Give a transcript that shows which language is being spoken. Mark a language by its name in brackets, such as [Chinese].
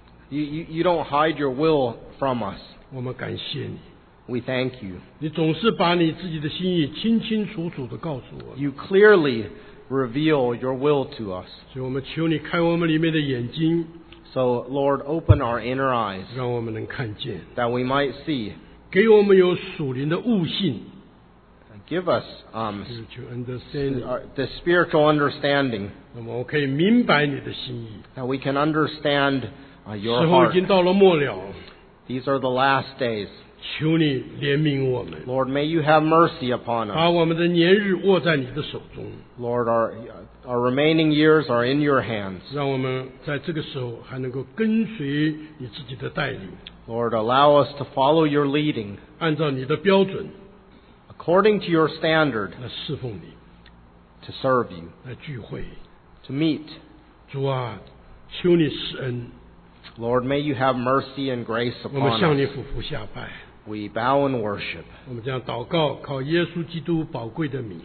[English] You don't hide your will from us. [Chinese] 我们感谢你。 [English] We thank you. [Chinese] 你总是把你自己的心意清清楚楚地告诉我。 [English] You clearly reveal your will to us. [Chinese] 所以我们求你开我们里面的眼睛。 [English] So, Lord, open our inner eyes. [Chinese] 让我们能看见。 [English] That we might see. [Chinese] 给我们有属灵的悟性。 [English] Give us the spiritual understanding. [Chinese] 那么我可以明白你的心意。 [English] That we can understand your heart. [Chinese] 时候已经到了末了。 [English] These are the last days. [Chinese] 求你怜悯我们。 [English] Lord, may you have mercy upon us. [Chinese] 把我们的年日握在你的手中。 [English] Lord, our remaining years are in your hands. [Chinese] 让我们在这个时候还能够跟随你自己的带领。 [English] Lord, allow us to follow your leading. [Chinese] 按照你的标准。 [English] According to your standard, [Chinese] 来侍奉你, [English] to serve you, [Chinese] 来聚会, [English] to meet. [Chinese] 主啊, 求你施恩, [English] Lord, may you have mercy and grace upon us. [Chinese] 我们向你俯伏下拜, [English] we bow in worship. [Chinese] 我们将祷告, 靠耶稣基督宝贵的名,